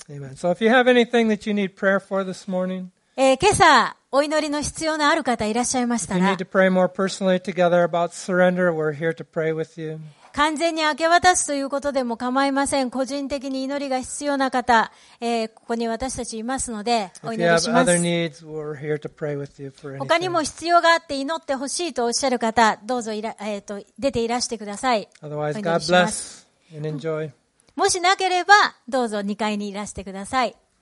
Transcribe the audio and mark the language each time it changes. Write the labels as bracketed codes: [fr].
[en] So if you have anything that you need prayer for this morning, [ja] 今朝お祈りの必要のある方いらっしゃいましたら、 [en] if you need to pray more personally together about surrender, we're here to pray with you. [ja] 完全に明け渡すということでも構いません。個人的に祈りが必要な方、ここに私たちいますので、お祈りします。 [en] If you have other needs, we're here to pray with you for anything. [ja] 他にも必要があって祈ってほしいとおっしゃる方、どうぞ出ていらしてください。 [en] Otherwise, God bless and enjoy. [ja] もしなければ、どうぞ2階にいらしてください。